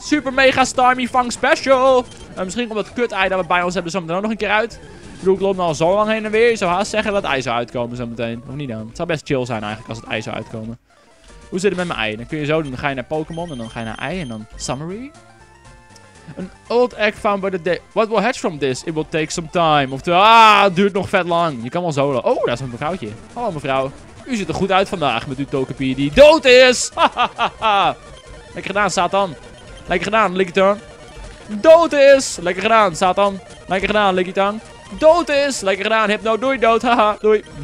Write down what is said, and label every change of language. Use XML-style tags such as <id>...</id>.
<nl>Super mega Starmie vang special! Misschien komt dat kut-ei dat we bij ons hebben zo meteen ook nog een keer uit. Ik bedoel, ik loop al zo lang heen en weer. Je zou haast zeggen dat het ei zou uitkomen zo meteen. Of niet dan? Het zou best chill zijn eigenlijk als het ei zou uitkomen. Hoe zit het met mijn ei? Dan kun je zo doen. Dan ga je naar Pokémon en dan ga je naar ei en dan Summary. Een</nl> <en>old egg found by the day. What will hatch from this? It will take some time.</en> <nl>Oftewel, het duurt nog vet lang. Je kan wel zolen. Oh, daar is een mevrouwtje. Hallo mevrouw. U ziet er goed uit vandaag met uw Togepi die dood is. Lekker gedaan, Satan. Lekker gedaan, Lickitung. Dood is. Lekker gedaan, Satan. Lekker gedaan, Lickitung. Dood is. Lekker gedaan, Hypno. Doei, dood. Haha, doei.</nl>